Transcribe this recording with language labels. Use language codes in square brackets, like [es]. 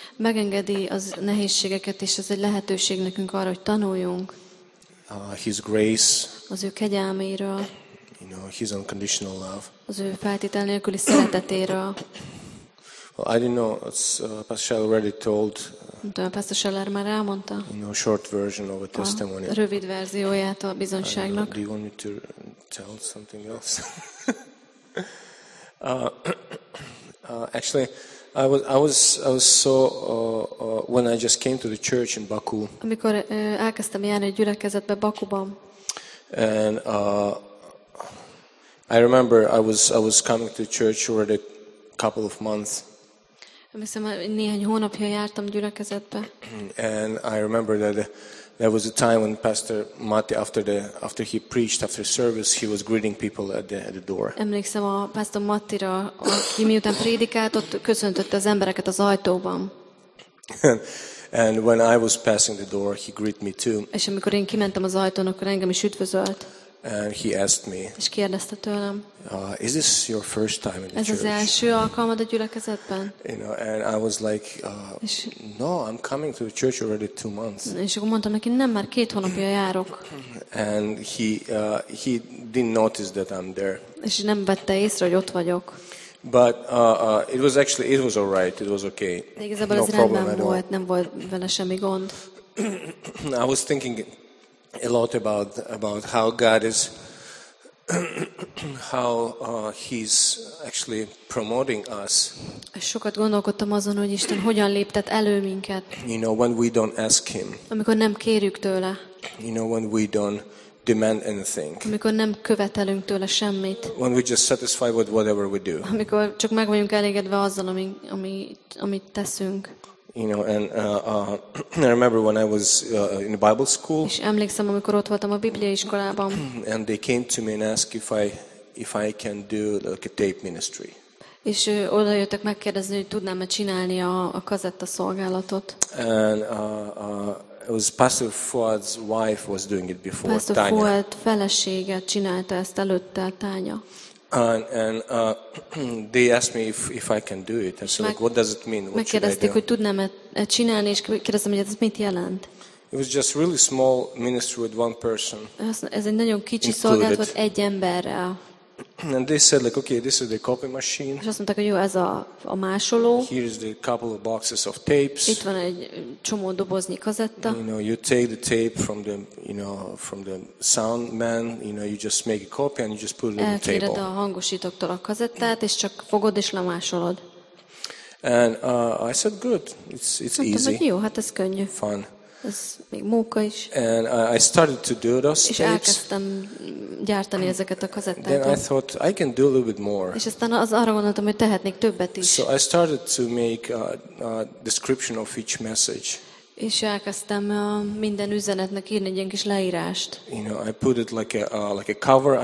[hu] Megengedi az nehézségeket, és ez egy lehetőség nekünk arra, hogy tanuljunk. [en] His grace, [hu] az ő kegyelméről, [en] you know, his unconditional love, [hu] az ő feltétel nélküli szeretetéről. [en] Well, I didn't know, Pastor Scheller already told, [hu] Pastor Scheller már elmondta, [en] you know, short version of a testimony, [hu] a rövid verzióját a bizonyságnak. [en] Do you want me to tell something else? actually, I was so when I just came to the church in Baku. [hu] Amikor elkezdtem járni a gyülekezetbe Bakuban. [en] And I remember I was coming to church already a couple of months. [hu] Emlékszem, néhány hónapja jártam gyülekezetbe. [en] And I remember that there was a time when Pastor Matti, after he preached after service, he was greeting people at the door. [hu] Emlékszem a Pastor Mattira, aki miután prédikált, ott köszöntötte az embereket az ajtóban. [en] And when I was passing the door, he greeted me too. [hu] És amikor én kimentem az ajtón, akkor engem is üdvözölt. [en] And he asked me. [hu] És kérdezte tőlem. [en] Is this your first time in the church? [hu] Ez az első alkalmad a gyülekezetben? [en] You know, and I was like, no, I'm coming to the church already 2 months. [hu] És akkor mondtam neki, nem, már 2 hónapja járok. [en] And he didn't notice that I'm there. [hu] És nem vette észre, hogy ott vagyok. [en] But it was all right. It was okay. [hu] De igazából ez rendben volt, nem volt vele semmi gond. [en] I was thinking a lot about how God is how he's actually promoting us. [hu] Sokat gondolkodtam azon, hogy Isten hogyan léptet elő minket. [en] You know, when we don't ask him. [hu] Amikor nem kérjük tőle. [en] You know, when we don't demand anything. [hu] Amikor nem követelünk tőle semmit. [en] When we just satisfy with whatever we do. [hu] Amikor csak meg vagyunk elégedve azzal, amit teszünk. [en] You know, and I remember when I was in the Bible school. [hu] És emlékszem, amikor ott voltam a Biblia iskolában. [en] And they came to me and asked if I can do like a tape ministry. [hu] És oda jöttek megkérdezni, hogy tudnám-e csinálni a kazetta szolgálatot. [en] And it was Pastor Fuad's wife was doing it before. Pastor Tanya. [hu] Fuad felesége csinálta ezt előtte, Tanya. [en] And they asked me if I can do it. And so like, what does it mean? What should I do? [hu] Megkérdezték, hogy tudnám-e csinálni, és kérdeztem, hogy ez mit jelent. [en] It was just really small ministry with one person. [hu] Ez egy nagyon kicsi szolgálat volt egy emberrel. [en] And they said like, okay, this is the copy machine. [hu] És azt mondták, hogy jó, ez a másoló. [en] Here is the couple of boxes of tapes. [hu] Itt van egy csomó doboznyi kazetta. [en] You know, you take the tape from the, you know, from the sound man. You know, you just make a copy and you just put it on the table. [hu] Elkéred a hangosítóktól a kazettát, és csak fogod és lemásolod. [en] And I said, good, it's easy. [hu] Mondtam, jó, hát ez könnyű. [en] Fun. [hu] Ez még móka is. [en] And I started to do those tapes. [hu] És elkezdtem gyártani ezeket a kazettákat. [en] Then I thought I can do a little bit more. [hu] És aztán az arra gondoltam, hogy tehetnék többet is. [en] So I started to make a description of each message. [hu] És elkezdtem minden üzenetnek írni egy ilyen kis leírást. [en] You know, I put it like a cover.